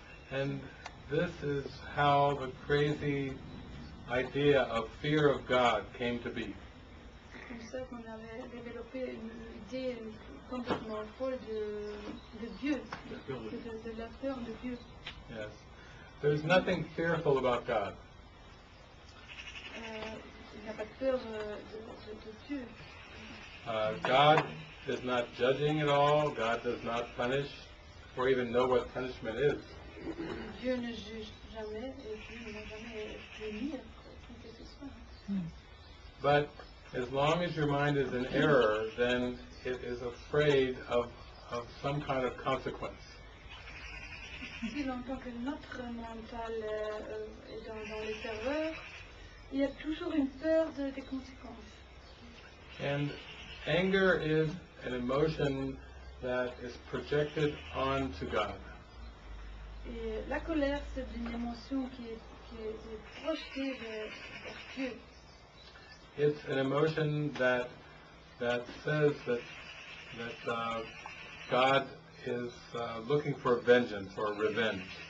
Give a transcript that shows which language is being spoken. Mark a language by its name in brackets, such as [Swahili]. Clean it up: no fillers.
[English] And this is how the crazy idea of fear of God came to be. [French] C'est comme ça qu'on avait développé une idée, une complètement folle de Dieu. De la peur de Dieu. [English] Yes. There's nothing fearful about God. [French] Il n'y a pas de peur de Dieu. [English] God is not judging at all. God does not punish or even know what punishment is. [French] Dieu ne juge jamais et Dieu ne va jamais punir quoi que ce soit. [English] But as long as your mind is in error, then it is afraid of some kind of consequence. [French] Si longtemps que notre mental est dans les erreurs, il y a toujours une peur des conséquences. [English] And anger is an emotion that is projected onto God. [French] Et la colère, c'est une émotion qui est projetée vers Dieu. [English] It's an emotion that says that God is looking for vengeance or revenge.